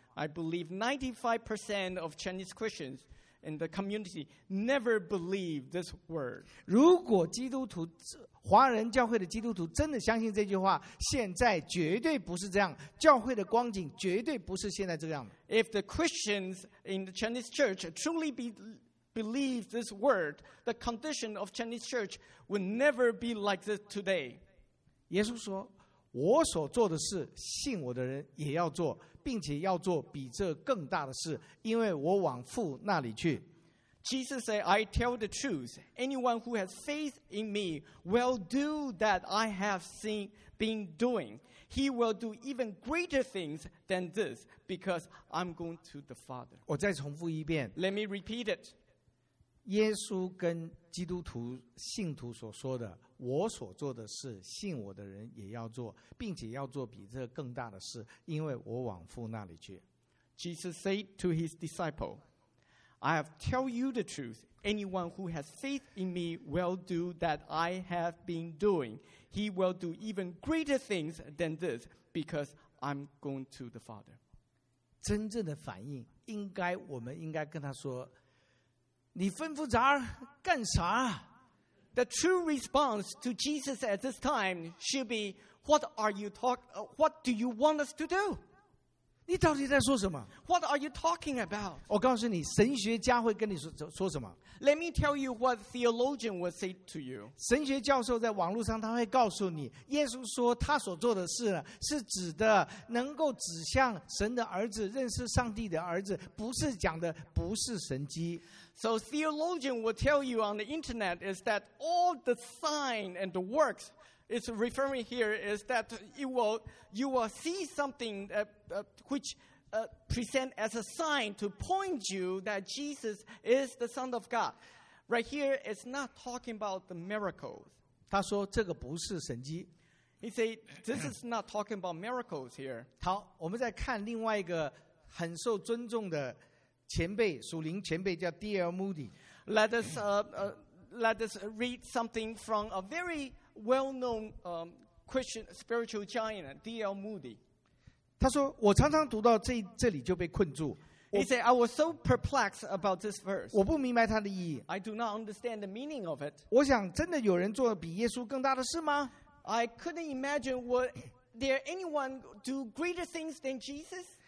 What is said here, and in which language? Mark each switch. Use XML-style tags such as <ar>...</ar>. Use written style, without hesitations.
<en>I believe 95% of Chinese Christians in the community never believe this word.</en> <zh>如果基督徒华人教会的基督徒真的相信这句话现在绝对不是这样教会的光景绝对不是现在这样的</zh> <en>If the Christians in the Chinese church truly believe this word the condition of Chinese church would never be like this today</en> <zh>耶稣说我所做的事信我的人也要做并且要做比这更大的事因为我往父那里去</zh> <en>Jesus said, I tell the truth. Anyone who has faith in me will do that I have seen, been doing. He will do even greater things than this because I'm going to the Father.</en> <zh>我再重复一遍。</zh> <en>Let me repeat it.</en> <zh>耶稣跟基督徒信徒所说的，我所做的事，信我的人也要做，并且要做比这更大的事，因为我往父那里去。</zh> <en>Jesus said to his disciple,I have tell you the truth. Anyone who has faith in me will do that I have been doing. He will do even greater things than this because I'm going to the Father.</en> <zh>真正的反应应该我们应该跟他说你吩咐咱儿干啥</zh> <en>The true response to Jesus at this time should be what do you want us to do?</en> <zh>你到底在说什么</zh> <en>What are you talking about?</en> <zh>我告诉你神学家会跟你 说什么</zh> <en>Let me tell you what theologian would say to you</en> <zh>神学教授在网络上他会告诉你耶稣说他所做的事是指的能够指向神的儿子认识上帝的儿子不是讲的不是神迹</zh> <en>So theologian would tell you on the internet is that all the sign and the works it's referring here is that you will see something which present as a sign to point you that Jesus is the Son of God. Right here, it's not talking about the miracles.</en> <zh>他说这个不是神迹。</zh> <en>He said, this is not talking about miracles here.</en> <zh>好，我们再看另外一个很受尊重的前辈，属灵前辈 叫 D.L. Moody。</zh> <en>Let us read something from a very well-known Christian spiritual giant, D.L. Moody.</en> <zh>他说，我常常读到这里就被困住。</zh> <en>He said, I was so perplexed about this verse.</en> <zh>我不明白它的意义。</zh> <en>I do not understand the meaning of it.</en> <zh>我想，真的有人做比耶稣更大的事吗？</zh> <en>I couldn't imagine, would there anyone do greater things than Jesus?</en>